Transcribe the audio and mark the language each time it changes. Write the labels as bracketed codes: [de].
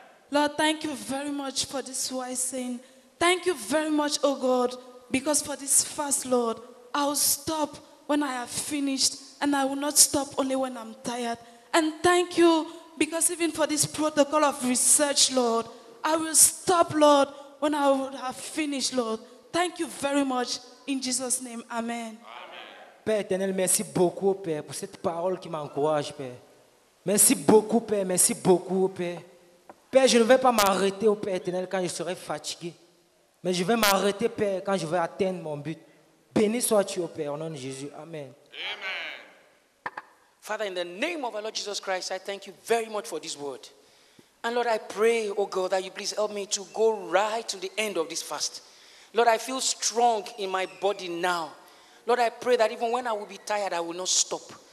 [en] Lord, thank you very much for this wise saying. Thank you very much, O God, because for this fast, Lord, I'll stop when I have finished, and I will not stop only when I'm tired. And thank you, because even for this protocol of research, Lord, I will stop, Lord, when I would have finished, Lord. Thank you very much. In Jesus' name, amen. Amen. [fr] Père éternel, merci beaucoup, Père, pour cette parole qui m'encourage, Père. Merci beaucoup, Père. Merci beaucoup, Père. Père, je ne vais pas m'arrêter, au Père éternel, quand je serai fatigué. Mais je vais m'arrêter, Père, quand je vais atteindre mon but. Béni sois-tu, au Père, au nom de Jésus. Amen. Amen. [en] Father, in the name of our Lord Jesus Christ, I thank you very much for this word. And Lord, I pray, oh God, that you please help me to go right to the end of this fast. Lord, I feel strong in my body now. Lord, I pray that even when I will be tired, I will not stop.